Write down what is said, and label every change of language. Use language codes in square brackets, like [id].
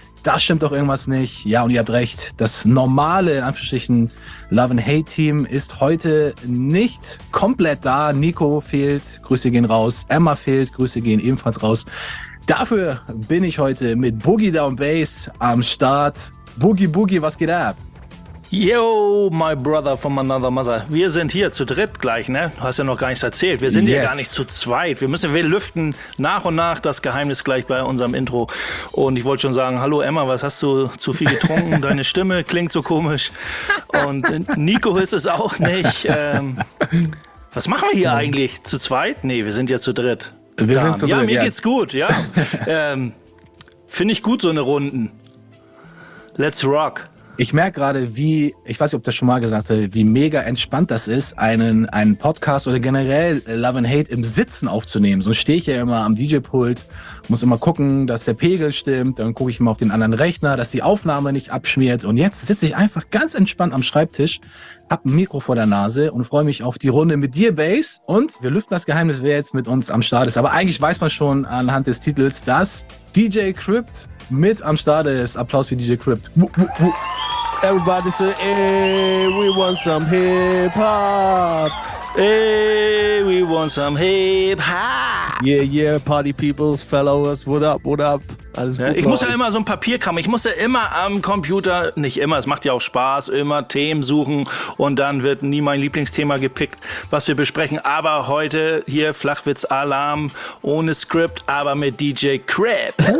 [de] Das stimmt doch irgendwas nicht. Ja, und ihr habt recht. Das normale, in Anführungsstrichen, Love and Hate-Team ist heute nicht komplett da. Nico fehlt. Grüße gehen raus. Emma fehlt. Grüße gehen ebenfalls raus. Dafür bin ich heute mit Boogie Down Bass am Start. Boogie, Boogie, was geht ab? [en] Yo, my brother from another mother. [de] Wir sind hier zu dritt gleich, ne? Du hast ja noch gar nichts erzählt. Wir sind hier gar nicht zu zweit. Wir lüften nach und nach das Geheimnis gleich bei unserem Intro. Und ich wollte schon sagen, hallo Emma, was hast du zu viel getrunken? Deine Stimme klingt so komisch. Und Nico ist es auch nicht. Was machen wir hier eigentlich? Zu zweit? Nee, wir sind ja zu dritt. Wir sind zu dritt, ja. Mir geht's gut, ja. Finde ich gut, so eine Runden. [en] Let's rock. [de] Ich merke gerade, wie, ich weiß nicht, ob das schon mal gesagt hat, wie mega entspannt das ist, einen Podcast oder generell Love and Hate im Sitzen aufzunehmen. Sonst stehe ich ja immer am DJ-Pult, muss immer gucken, dass der Pegel stimmt, dann gucke ich immer auf den anderen Rechner, dass die Aufnahme nicht abschmiert. Und jetzt sitze ich einfach ganz entspannt am Schreibtisch, hab ein Mikro vor der Nase und freue mich auf die Runde mit dir, Bass. Und wir lüften das Geheimnis, wer jetzt mit uns am Start ist. Aber eigentlich weiß man schon anhand des Titels, dass DJ Crypt mit am Start ist. Applaus für DJ Crypt. [en] Everybody say, hey, we want some hip-hop. Hey, we want some hip-hop. Yeah, yeah, party peoples, followers, what up? [de] Alles gut. Ich muss ja immer so ein Papierkram, ich muss ja immer am Computer, nicht immer, es macht ja auch Spaß, immer Themen suchen und dann wird nie mein Lieblingsthema gepickt, was wir besprechen. Aber heute hier Flachwitz-Alarm, ohne Skript, aber mit DJ Crypt.